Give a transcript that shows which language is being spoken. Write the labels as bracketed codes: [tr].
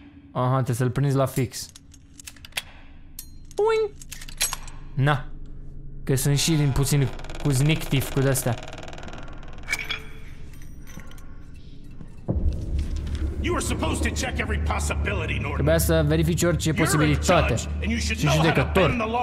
[ro] Aha, trebuie să-l prinzi la fix. Uing! Na. Că sunt și din puțin cu znictif cu de-astea. [en] You were supposed to check every possibility, Norton. [ro] Trebuia să verifici orice posibilitate. Și judecător.